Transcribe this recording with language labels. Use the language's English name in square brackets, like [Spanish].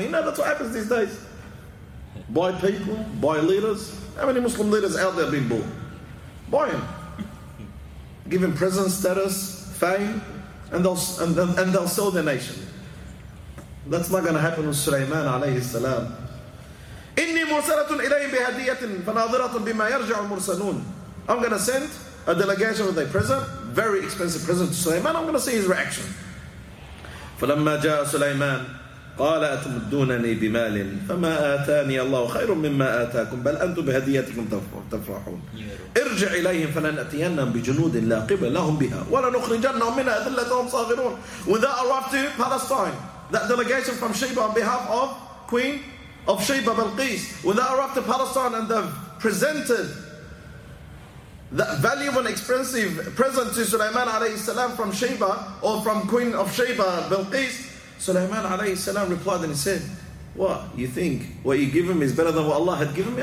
[English] You know that's what happens these days. Buy people, buy leaders. How many Muslim leaders out there have been bought? Buy him. Give him present status, fame, and they'll sell their nation. That's not going to happen with Sulaiman alayhi salam. [Arabic] إني مرسلة إليهم بهدية فناظرة بما يرجع المرسلون. [English] I'm going to send a delegation with a present, very expensive present to Sulaiman. I'm going to see his reaction. [Arabic] فلما جاء سليمان قال أتمدونني بمال فما آتاني الله خير مما آتاكم بل أنتم بهديتكم تفرحون. ارجع إليهم فلنأتينهم بجنود لا قبل لهم بها ولنخرجنهم منها أذلة وهم صاغرون. [English] When they arrived to Palestine, that delegation from Sheba on behalf of Queen of Sheba Balqis, when they arrived to Palestine and they presented that valuable and expensive present to Sulaiman alayhi salam from Sheba, or from Queen of Sheba Balqis, Sulaiman alayhi salam replied and he said, what, you think what you give him is better than what Allah had given me?